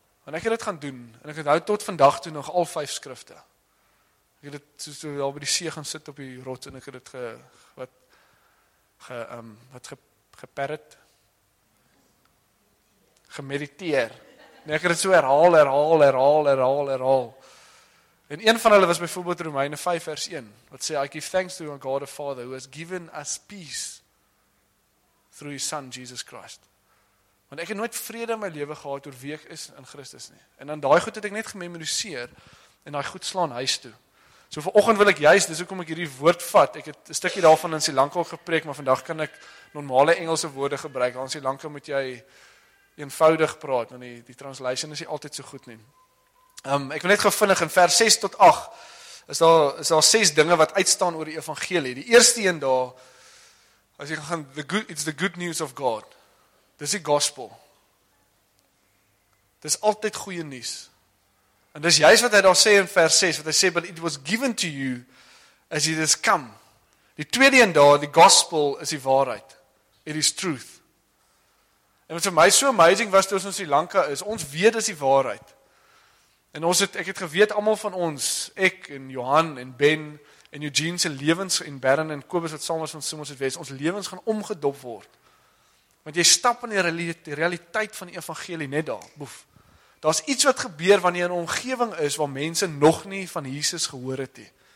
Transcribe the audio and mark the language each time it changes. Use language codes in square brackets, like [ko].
[af] En ek het dit gaan doen, en ek het hou tot vandag toe nog al 5 skrifte. Ek het dit soos al by die see gaan sit op die rots, en ek het dit gemediteer. En ek het dit so herhaal. En een van hulle was byvoorbeeld Romeine 5 vers 1, wat sê, [en] I give thanks to our God the Father, who has given us peace through his son Jesus Christ. [af] Want ek het nooit vrede in my lewe gehad oor wie ek is in Christus nie. En dan daai goed het ek net gememoriseer, en daai goed slaan huis toe. So vanoggend wil ek juist, dis hoekom ek hierdie woord vat, ek het 'n stukkie daarvan in Sri Lanka gepreek, maar vandag kan ek normale Engelse woorde gebruik, want in Sri Lanka moet jy eenvoudig praat, want die translation is nie altyd so goed nie. Ek wil net gou vinnig, in vers 6 tot 8, is daar 6 dinge wat uitstaan oor die evangelie. Die eerste een daar, as jy gaan, [en] it's the good news of God. [af] Dis die gospel. Dis altyd goeie nuus. En dis juist wat hy daar sê in vers 6, wat hy sê, [en] but it was given to you as it has come. [af] Die tweede een daar, die gospel is die waarheid. [en] It is truth. [af] En wat vir my so amazing was, toe ons in Sri Lanka is, ons weet is die waarheid. En ons het, ek het geweet, allemaal van ons, ek en Johan en Ben en Eugene se lewens en Baron en Kobus, wat saam was van Simons het wees, ons lewens gaan omgedop word. Want jy stap in die realiteit van die evangelie net daar, boef. Daar is iets wat gebeur wanneer een omgeving is waar mense nog nie van Jesus gehoor het nie.